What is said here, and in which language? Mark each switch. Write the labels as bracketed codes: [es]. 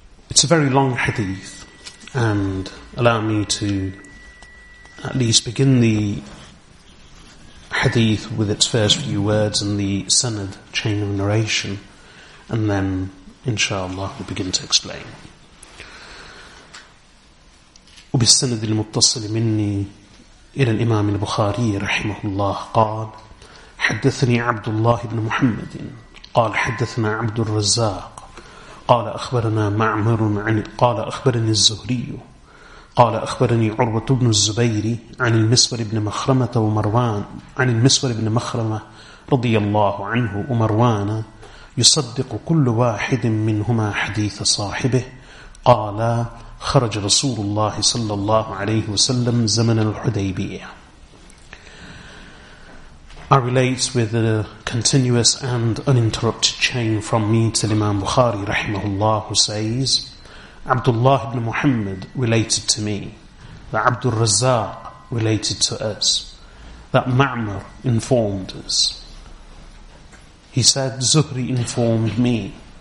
[en] It's a very long hadith, and allow me to at least begin the hadith with its first few words and the sanad chain of narration, and then inshallah we'll begin to explain. [ar] وبالسند المتصل مني إلى الإمام البخاري رحمه الله قال حدثني عبد الله بن محمد قال حدثنا عبد الرزاق قال أخبرنا معمر عن قال أخبرني الزهري قال أخبرني عروة بن الزبير عن المسور بن مخرمة ومروان عن المسور بن مخرمة رضي الله عنه ومروان يصدق كل واحد منهما حديث صاحبه قال خرج رسول الله صلى الله عليه وسلم زمن الحديبية. [en] I relate with a continuous and uninterrupted chain from me to Imam Bukhari رحمه الله, who says Abdullah ibn Muhammad related to me, that Abdul Razzaq related to us, that Ma'mar informed us, he said Zuhri informed me,